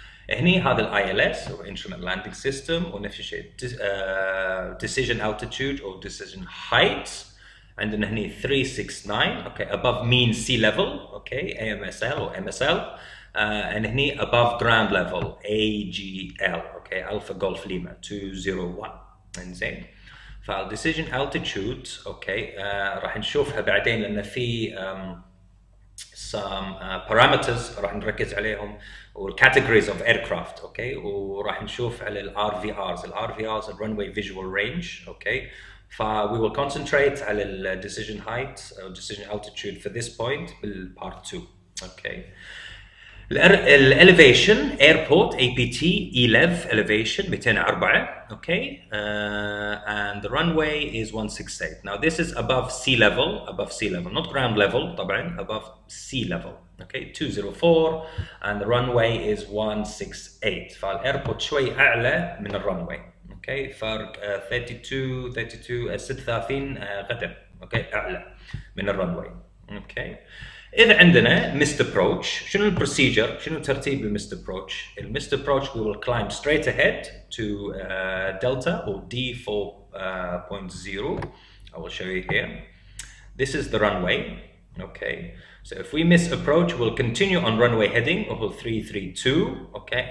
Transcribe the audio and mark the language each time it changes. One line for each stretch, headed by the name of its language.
Arabic: هني هذا الـ ILS أو Instrument Landing System ونفس الشيء Decision Altitude أو Decision Height.
English: عندنا هني 369 okay above mean sea level okay AMSL أو MSL and هني above ground level AGL okay Alpha Golf Lima 201 إنزين.
Arabic: فالـ Decision Altitude okay راح نشوفها بعدين لأن في
English: some parameters
Arabic: راح نركز عليهم والcategories of aircraft okay.
English: وراح نشوف على ال RVRs ال RVRs the runway visual range okay. ف we will concentrate
Arabic: على ال
English: decision height or decision altitude for this point بال part 2 okay. ال elevation airport APT ELEV elevation 204 okay and the runway is 168. Now this is above sea level not ground level طبعا above sea level okay 204 and the runway is 168.
Arabic: فال airport شوي أعلى من الرنواي
English: okay
Arabic: فرق 32 قدم okay أعلى من الرنواي okay.
English: إذا عندنا missed approach
Arabic: شنو البروسيجر؟ شنو ترتيب
English: missed approach؟ missed approach we will climb straight ahead to delta or D4.0. I will show you here. This is the runway. Okay. So if we miss approach, we'll continue on runway heading or 332. Okay.